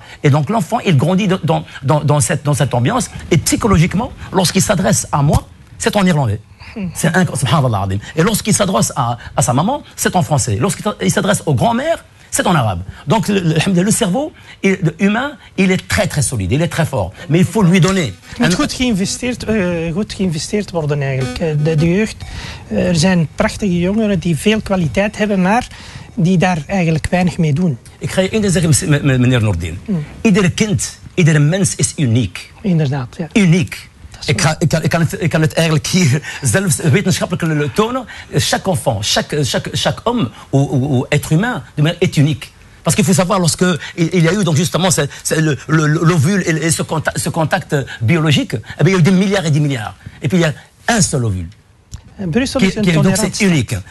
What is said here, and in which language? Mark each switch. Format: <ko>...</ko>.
<fr>Et donc l'enfant, il grandit dans cette ambiance, et psychologiquement, lorsqu'il s'adresse à moi, c'est en néerlandais. C'est incroyable. Et lorsqu'il s'adresse à sa maman, c'est en français. Lorsqu'il s'adresse aux grands-mères, c'est en arabe. Donc le cerveau humain, il est très très solide, il est très fort. Mais il faut lui donner.</fr> <nl>Het moet goed geïnvesteerd worden eigenlijk. De jeugd, er zijn prachtige jongeren die veel kwaliteit hebben, maar die daar eigenlijk weinig mee doen. Ik ga je één ding zeggen, meneer Nordin. Iedere kind, iedere mens is uniek. Inderdaad, ja. Uniek. Ik kan het eigenlijk hier zelfs wetenschappelijk tonen.</nl> <fr>Chaque enfant, chaque homme ou être humain est unique. Parce qu'il faut savoir, lorsqu'il y a eu donc justement l'ovule et ce contact biologique, eh bien, il y a eu des milliards et des milliards. Et puis il y a un seul ovule. Donc c'est unique.</fr>